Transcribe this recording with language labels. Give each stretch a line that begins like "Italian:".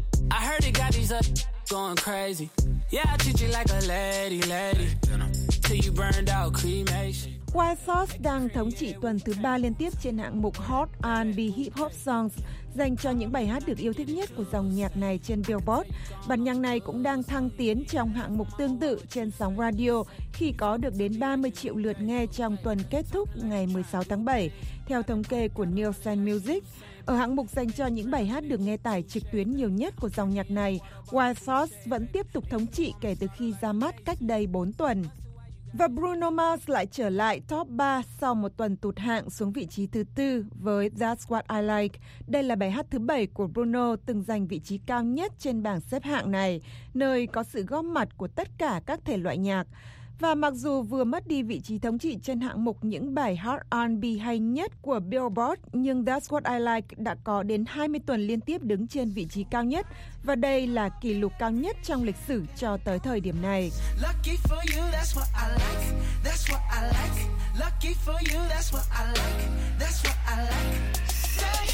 English: I heard it got these up going crazy. Yeah, I treat you like a lady, lady. Till you burned out cremation.
Vietnamese: Wild Thoughts đang thống trị tuần thứ 3 liên tiếp trên hạng mục Hot R&B Hip Hop Songs dành cho những bài hát được yêu thích nhất của dòng nhạc này trên Billboard. Bản nhạc này cũng đang thăng tiến trong hạng mục tương tự trên sóng radio khi có được đến 30 triệu lượt nghe trong tuần kết thúc ngày 16 tháng 7, theo thống kê của Nielsen Music. Ở hạng mục dành cho những bài hát được nghe tải trực tuyến nhiều nhất của dòng nhạc này, Wild Thoughts vẫn tiếp tục thống trị kể từ khi ra mắt cách đây 4 tuần. Và Bruno Mars lại trở lại top 3 sau một tuần tụt hạng xuống vị trí thứ 4 với That's What I Like. Đây là bài hát thứ 7 của Bruno từng giành vị trí cao nhất trên bảng xếp hạng này, nơi có sự góp mặt của tất cả các thể loại nhạc. Và mặc dù vừa mất đi vị trí thống trị trên hạng mục những bài hot R&B hay nhất của Billboard, nhưng That's What I Like đã có đến 20 tuần liên tiếp đứng trên vị trí cao nhất. Và đây là kỷ lục cao nhất trong lịch sử cho tới thời điểm này.
English: Lucky for you, that's what I like, that's what I like. Lucky for you, that's what I like, that's what I like.